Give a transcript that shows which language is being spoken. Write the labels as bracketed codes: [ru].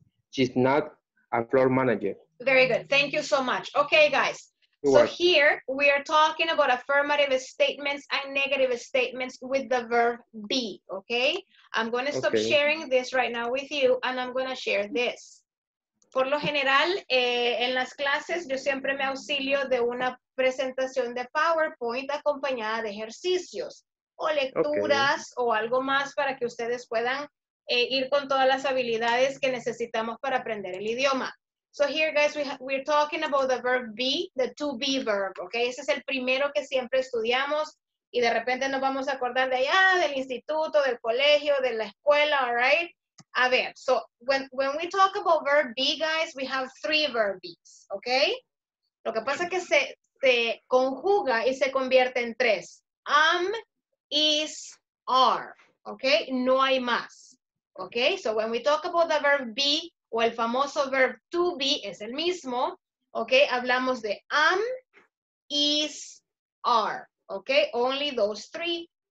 [en] She's not a floor manager. Very good. Thank you so much. Okay, guys. You're welcome. Here we are talking about affirmative statements and negative statements with the verb be. Okay. I'm going to stop sharing this right now with you and I'm going to share this. [es] Por lo general, en las clases, yo siempre me auxilio de una presentación de PowerPoint acompañada de ejercicios o lecturas o algo más para que ustedes puedan ir con todas las habilidades que necesitamos para aprender el idioma. [en] So here, guys, we're talking about the verb be, the to be verb, okay? [es] Ese es el primero que siempre estudiamos y de repente nos vamos a acordar de allá, del instituto, del colegio, de la escuela, [en] all right? [es] A ver, [en] so when we talk about verb be, guys, we have three verb be's, okay? [es] Lo que pasa es que se conjuga y se convierte en tres. [en] Am, is, are, okay? [es] No hay más. [en] Okay, so when we talk about the verb be, [es] o el famoso [en] verb to be, [es] es el mismo, [en] okay, [es] hablamos de [en] am, is, are, okay, only those three.